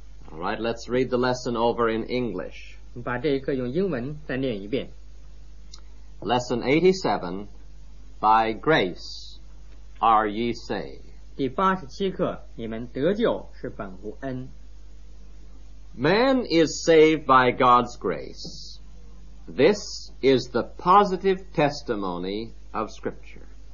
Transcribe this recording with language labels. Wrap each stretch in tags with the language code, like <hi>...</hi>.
<en>All right, let's read the lesson over in English.</en> <zh>把这一课用英文再念一遍。</zh> <en>Lesson 87, By grace are ye saved.</en> <zh>第八十七课，你们得救是本乎恩。</zh> <en>Man is saved by God's grace. This is the positive testimony of Scripture.</en>